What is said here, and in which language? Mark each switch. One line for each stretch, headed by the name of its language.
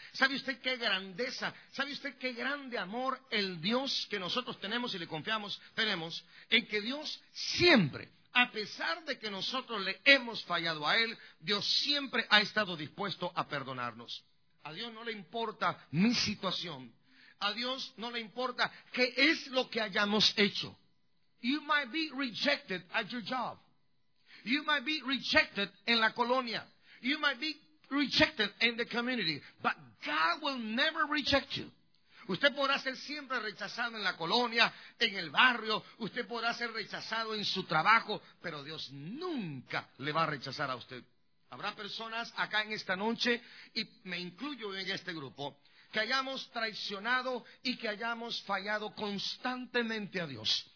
Spanish: ¿Sabe usted qué grandeza? ¿Sabe usted qué grande amor el Dios que nosotros tenemos y le confiamos, tenemos? En que Dios siempre, a pesar de que nosotros le hemos fallado a Él, Dios siempre ha estado dispuesto a perdonarnos. A Dios no le importa mi situación. A Dios no le importa qué es lo que hayamos hecho.
English: You might be rejected at your job. You might be rejected in
Spanish: la colonia.
English: You might be rejected in the community. But God will never reject you.
Spanish: Usted podrá ser siempre rechazado en la colonia, en el barrio. Usted podrá ser rechazado en su trabajo. Pero Dios nunca le va a rechazar a usted. Habrá personas acá en esta noche, y me incluyo en este grupo, que hayamos traicionado y que hayamos fallado constantemente a Dios.